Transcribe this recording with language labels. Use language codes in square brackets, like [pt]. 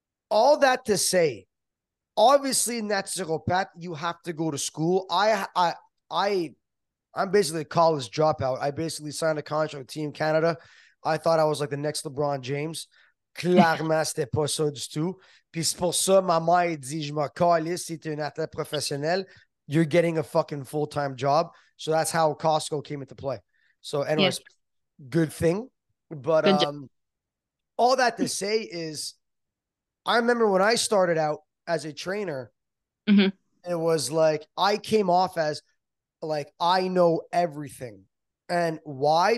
[en] All that to say, obviously, naturopath, you have to go to school. I'm basically a college dropout. I basically signed a contract with Team Canada. I thought I was like the next LeBron James. [fr] Clairement, c'était pas ça du tout. Puis c'est pour ça, ma mère dit, je me calais, si t'es un athlète professionnel, [en] you're getting a fucking full-time job. So that's how Costco came into play. So anyways, yes. Good thing. But good all that to say is, I remember when I started out as a trainer, it was like, I came off as, like, I know everything. And why?